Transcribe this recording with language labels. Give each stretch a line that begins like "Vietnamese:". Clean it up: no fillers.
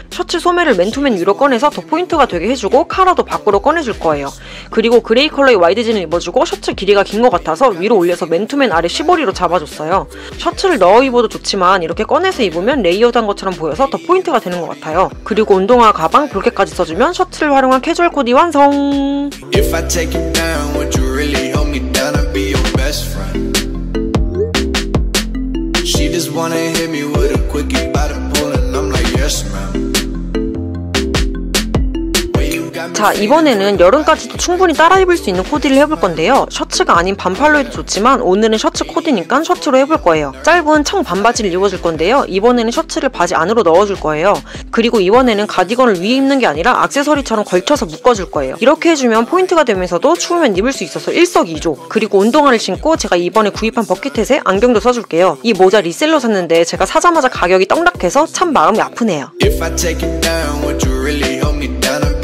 Korean: 셔츠 소매를 맨투맨 위로 꺼내서 더 포인트가 되게 해주고 카라도 밖으로 꺼내줄 거예요. 그리고 그레이 컬러의 와이드진을 입어주고 셔츠 길이가 긴 것 같아서 위로 올려서 맨투맨 아래 시보리로 잡아줬어요. 셔츠를 넣어 입어도 좋지만 이렇게 꺼내서 입으면 레이어드한 것처럼 보여서 더 포인트가 되는 것 같아요. 그리고 운동화, 가방, 볼캡까지 써주면 셔츠를 활용한 캐주얼 코디 완성!
English: If I take you down, would you really hold me down and be your best friend? She just wanna hit me with a quickie by the pool and I'm like, yes, ma'am.
Korean: 자, 이번에는 여름까지도 충분히 따라 입을 수 있는 코디를 해볼 건데요. 셔츠가 아닌 반팔로 해도 좋지만 오늘은 셔츠 코디니까 셔츠로 해볼 거예요. 짧은 청 반바지를 입어줄 건데요. 이번에는 셔츠를 바지 안으로 넣어줄 거예요. 그리고 이번에는 가디건을 위에 입는 게 아니라 액세서리처럼 걸쳐서 묶어줄 거예요. 이렇게 해주면 포인트가 되면서도 추우면 입을 수 있어서 일석이조. 그리고 운동화를 신고 제가 이번에 구입한 버킷햇에 안경도 써줄게요. 이 모자 리셀로 샀는데 제가 사자마자 가격이 떡락해서 참 마음이 아프네요.
English: If I take it down, would you really hold me down?